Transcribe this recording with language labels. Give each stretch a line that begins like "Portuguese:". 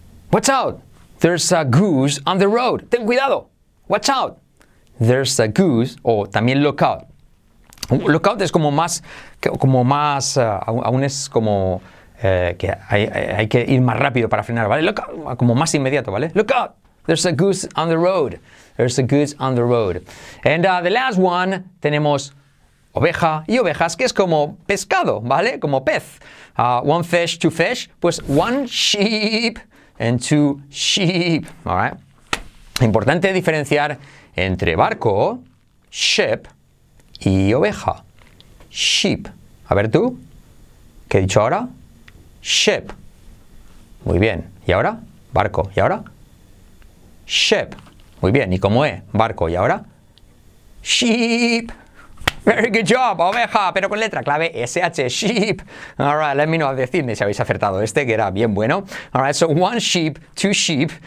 English: Watch out, there's a goose on the road.
Spanish: Ten cuidado,
English: watch out. There's a goose,
Spanish: o también
English: look out. Look out
Spanish: es como más, aún es como que hay que ir más rápido para frenar, ¿vale?
English: Look out,
Spanish: como más inmediato, ¿vale?
English: Look out, there's a goose on the road. There's a goose on the road. And the last one,
Spanish: tenemos oveja y ovejas, que es como pescado, ¿vale? Como pez.
English: One fish, two fish, pues one sheep and two sheep, all right?
Spanish: Importante diferenciar entre barco, ship, y oveja. Sheep. A ver tú, ¿qué he dicho ahora? Ship. Muy bien. ¿Y ahora? Barco. ¿Y ahora? Ship. Muy bien. ¿Y cómo es? Barco. ¿Y ahora? Sheep.
English: Very good job,
Spanish: oveja, pero con letra clave SH, sheep.
English: All right, let me know,
Spanish: decidme si habéis acertado este, que era bien bueno.
English: All right, so one sheep, two sheep.